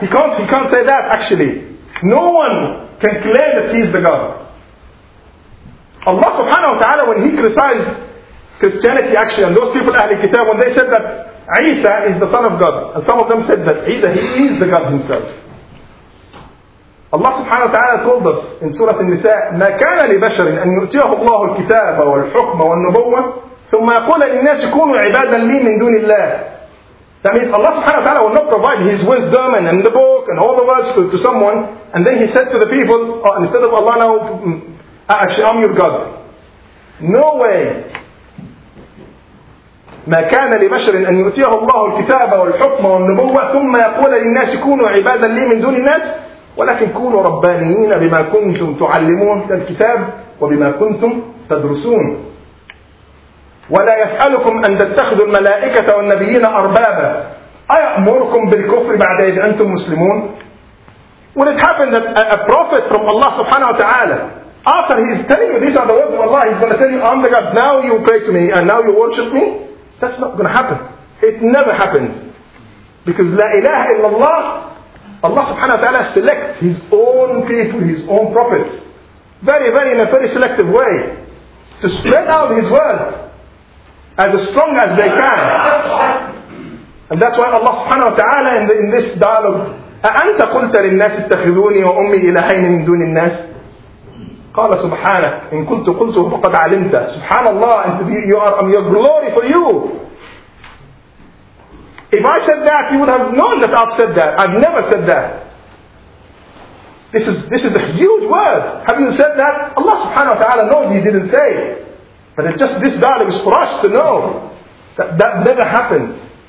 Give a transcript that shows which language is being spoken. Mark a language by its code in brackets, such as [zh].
[en] He can't say that actually. No one can claim that he's the God. Allah subhanahu wa ta'ala, when he criticized Christianity actually, and those people, Ahli Kitab, when they said that Isa is the son of God, and some of them said that Isa, he is the God himself. Allah subhanahu wa ta'ala told us in Surah An-Nisa, [ar] مَا كَانَ لِبَشَرٍ أَن يُؤْتِيَهُ اللَّهُ الْكِتَابَ وَالْحُكْمَ وَالنُّبُوَّةِ ثُمَّ يَقُولَ لِلنَّاسِ كُونُوا عِبَادًا لِي مِن دُونِ اللَّهِ. [en] That means Allah subhanahu wa ta'ala will not provide his wisdom and the book and all the words to someone, and then he said to the people, oh, instead of Allah now, actually I'm your God. No way. [ar] ما كان لبشر أن يؤتيه الله الكتاب والحكم والنبوة ثم يقول للناس كونوا عبادا لي من دون الناس ولكن كونوا ربانيين بما كنتم تعلمون الكتاب وبما كنتم تدرسون ولا يسألكم أن تتخذوا الملائكة والنبيين أربابا أيأمركم بالكفر بعد إذ أنتم مسلمون. [en] When it happened that a prophet from Allah subhanahu wa ta'ala, after he is telling you these are the words of Allah, he's going to tell you, I'm the God, now you pray to me and now you worship me. That's not going to happen. It never happens. Because la ilaha illallah, Allah subhanahu wa ta'ala selects his own people, his own prophets. Very, very, in a very selective way. To spread out his words as strong as they can. And that's why Allah subhanahu wa ta'ala in this dialogue, [ar] أَأَنْتَ قُلْتَ لِلنَّاسِ اتَّخِذُونِي وَأُمِّي إِلَهَيْنِ مِنْ دُونِ النَّاسِ قال سبحانك إن كنت قلته فقد علمت سبحان الله أنت [en] you are your glory for you. If I said that, you would have known that I've said that. I've never said that. This is a huge word. Have you said that? Allah subhanahu wa ta'ala knows he didn't say it. But it's just this dialogue is for us to know that never happens.